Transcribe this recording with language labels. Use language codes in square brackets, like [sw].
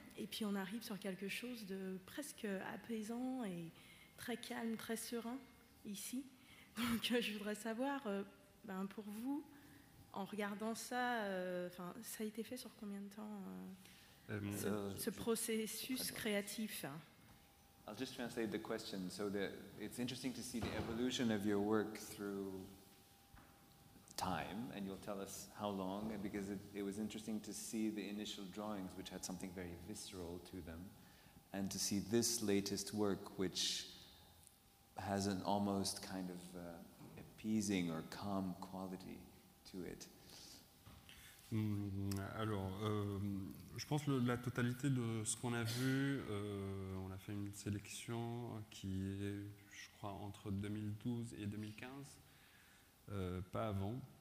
[fr] Et puis, on arrive sur quelque chose de presque apaisant et très calme, très serein ici. Donc, je voudrais savoir, pour vous, en regardant ça, ça a été fait sur combien de temps, ce processus créatif? [en] I'll just translate the question. So it's interesting to see the evolution of your work through time, and you'll tell us how long, because it was interesting to see the initial drawings, which had something very visceral to them, and to see this latest work, which has an almost kind of appeasing or calm quality to it. [fr] Je pense la totalité de ce qu'on a vu, on a fait une sélection qui est, je crois, entre 2012 et 2015, pas avant.